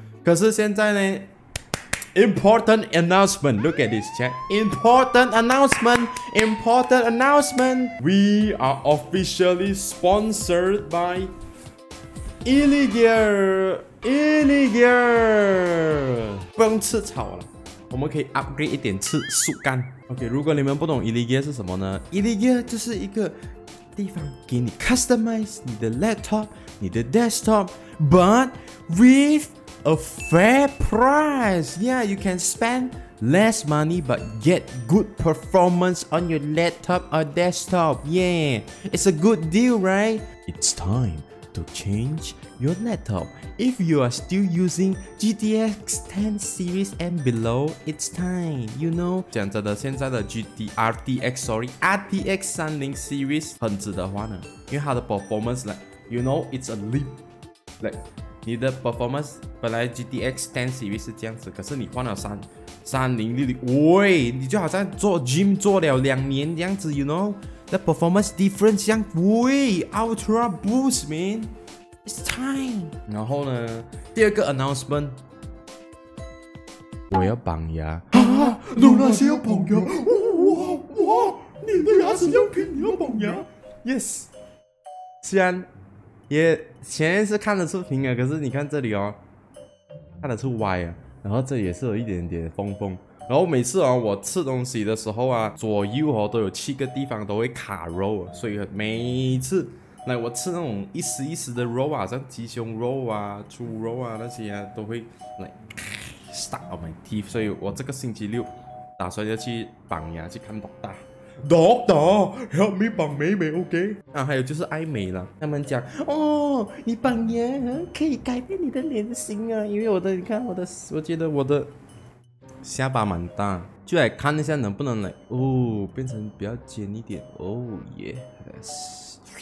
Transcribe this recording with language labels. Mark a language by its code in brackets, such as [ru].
[en] 可是现在呢 ，important announcement， look at this chat， important announcement， we are officially sponsored by Illegear， [zh] 不用吃草了。我们可以 upgrade 一点吃树干。OK， 如果你们不懂 Illegear 是什么呢？ Illegear 就是一个地方给你 customize 你的 laptop， 你的 desktop， [en] but with a fair price。 Yeah， you can spend less money but get good performance on your laptop or desktop。 Yeah， it's a good deal， right？ It's time to changeYour laptop. If you are still using GTX 10 series and below, it's time. You know, [zh] 讲真的，现在的 [en] RTX 30 series [zh] 很值得换了，因为它的 [en] performance like, you know, it's a leap. [zh] Like, 你的 performance 本来 GTX 10 series 是这样子，可是你换了30 series, 喂，你就好像做 gym 做了两年这样子， you know, [en] the performance difference [zh] 像喂 [en] ultra boost, man. It's time. [zh] 然后呢？第二个 announcement，我要绑牙。啊，露娜是要绑牙？哇，你的牙齿要给你要绑牙？Yes， 虽然也前面是看得出平的，可是你看这里哦，看得出歪啊。然后这里也是有一点点缝缝。然后每次啊、哦，我吃东西的时候啊，左右哦都有七个地方都会卡肉，所以每次。来，我吃那种一丝一丝的肉啊，像鸡胸肉啊、猪肉啊那些啊，都会 [en] like stuck on my teeth。 [zh] 所以我这个星期六打算要去绑牙，去看 doctor。 [en] Doctor help me [zh] 绑美美 [en] ，OK？ [zh] 啊，还有就是爱美啦，他们讲哦，你绑牙可以改变你的脸型啊，因为我的，你看我的，我觉得我的下巴蛮大，就来看一下能不能来哦，变成比较尖一点。 [en] Oh yes。